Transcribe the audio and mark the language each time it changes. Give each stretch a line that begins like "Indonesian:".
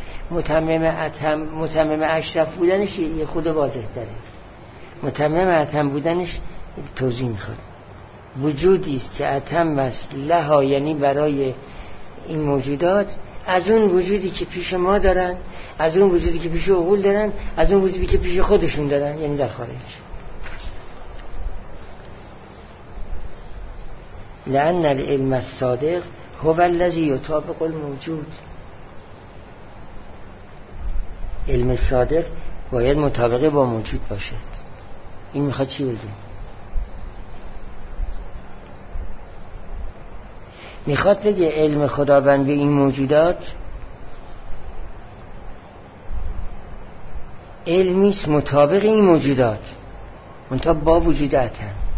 Persian: متمم اتم، متمم اشرف بودنش یه خود واضح داره، متمم اتم بودنش توضیح میخواد. وجودی است که اتم است لها، یعنی برای این موجودات، از اون وجودی که پیش ما دارن، از اون وجودی که پیش عقول دارن، از اون وجودی که پیش خودشون دارن، یعنی در خارج.
Arabic: لأن العلم الصادق هو الذي يطابق الموجود.
Persian: علم صادق باید مطابقه با موجود باشد. این میخواد چی بگه؟ میخواد بگه علم خداوند به این موجودات علمیست مطابق این موجودات، منتها با وجود اتم.